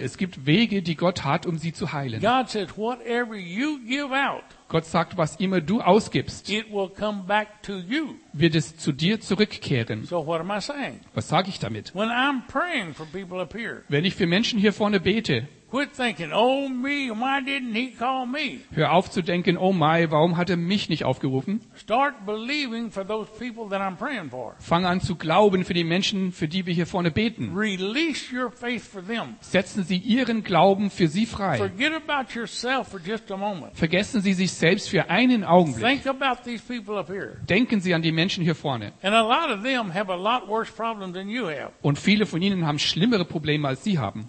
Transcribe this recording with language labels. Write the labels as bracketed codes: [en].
[de] Es gibt Wege, die Gott hat, um Sie zu heilen. Gott sagt, was immer du ausgibst, wird es zu dir zurückkehren. [en] So what am I saying? [de] Was sage ich damit? [en] When I'm praying for people up here, [de] wenn ich für Menschen hier vorne bete, [en] quit thinking, oh me, why didn't he call me? [de] Hör auf zu denken, [en] oh my, [de] warum hat er mich nicht aufgerufen? [en] Start believing for those people that I'm praying for. [de] Fang an zu glauben für die Menschen, für die wir hier vorne beten. [en] Release your faith for them. [de] Setzen Sie Ihren Glauben für sie frei. [en] Forget about yourself for just a moment. [de] Vergessen Sie sich selbst für einen Augenblick. [en] Think about these people up here. [de] Denken Sie an die Menschen hier vorne. [en] And a lot of them have a lot worse problems than you have. [de] Und viele von ihnen haben schlimmere Probleme als sie haben.